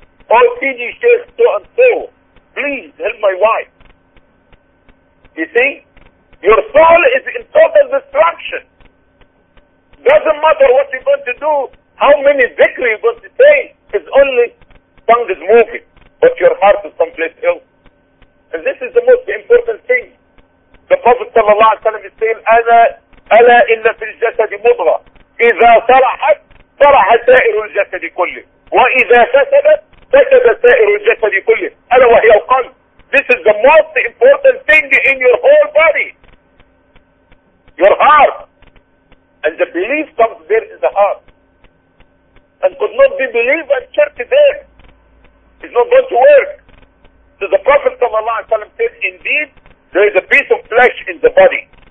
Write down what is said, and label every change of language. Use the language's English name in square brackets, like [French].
[English] All CD says so and so, please help my wife. You see? Your soul is in total destruction. Doesn't matter what you're going to do, how many dhikr you're going to say, it's only tongue is moving, but your heart is someplace else. And this is the most important thing. The Prophet sallallahu alaihi wasallam is saying, [Arabic] أَنَا أَلَا إِلَّا فِي الْجَسَدِ مُضْغَةٌ إِذَا صَلَحَتْ صَلَحَتْ سَائِرُ الْجَسَدِ كُلِّهِ وَإِذَا فَسَدَتْ فسد سائر الجسد كله ألا وهي القلب. [English] This is the most important thing in your whole body, your heart. And the belief comes there in the heart, and could not be believed and church there, it's not going to work. So the Prophet ﷺ said, indeed there is a piece of flesh in the body,